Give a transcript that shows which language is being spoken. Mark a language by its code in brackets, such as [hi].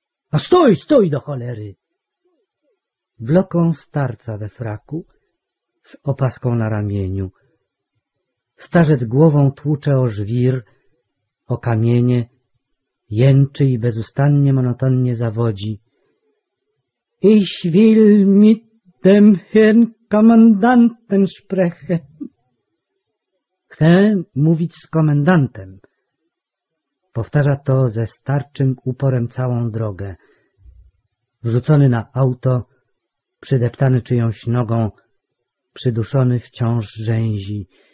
[pl] A stój, stój do cholery! Wloką starca we fraku, z opaską na ramieniu. Starzec głową tłucze o żwir, o kamienie, jęczy i bezustannie monotonnie zawodzi. [de] Ich will mit dem Herrn Kommandanten sprechen. [pl] Chcę mówić z komendantem. Powtarza to ze starczym uporem całą drogę. Wrzucony na auto, przydeptany czyjąś nogą, przyduszony wciąż rzęzi.